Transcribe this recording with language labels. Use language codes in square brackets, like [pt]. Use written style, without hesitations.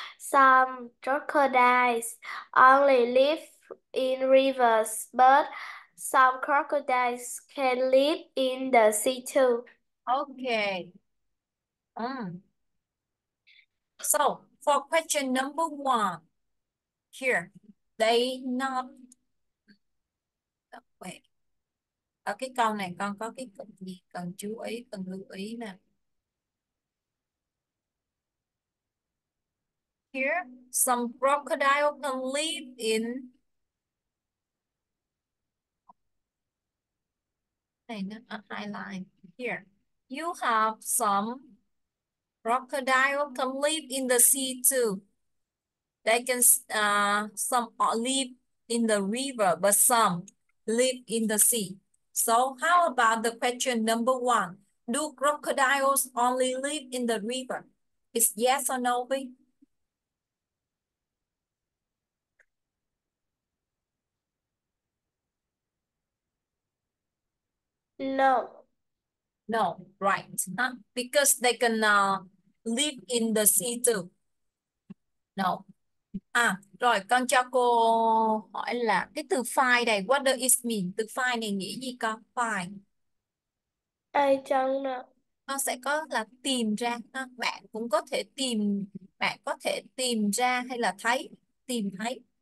[en] Some crocodiles only live in rivers, but some crocodiles can live in the sea too. Okay. So, for question number one, here, they not. Wait. [vi] Ở cái câu này con có cái cần gì cần chú ý, cần lưu ý nè. [en] Here, some crocodile can live in. [vi] Này nó highlight here. [en] You have some crocodile can live in the sea too. They can some live in the river, but some live in the sea. So how about the question number one? Do crocodiles only live in the river? Is yes or no, B? No. No, right. Huh? Because they can live in the sea too. No. [vi] À, rồi con cho cô hỏi là cái từ fine này, [en] what does it mean? [vi] Từ fine này nghĩa gì con? Fine. Ai chẳng nào. Con sẽ có là tìm ra. Huh? Bạn cũng có thể tìm, bạn có thể tìm ra hay là thấy, tìm thấy.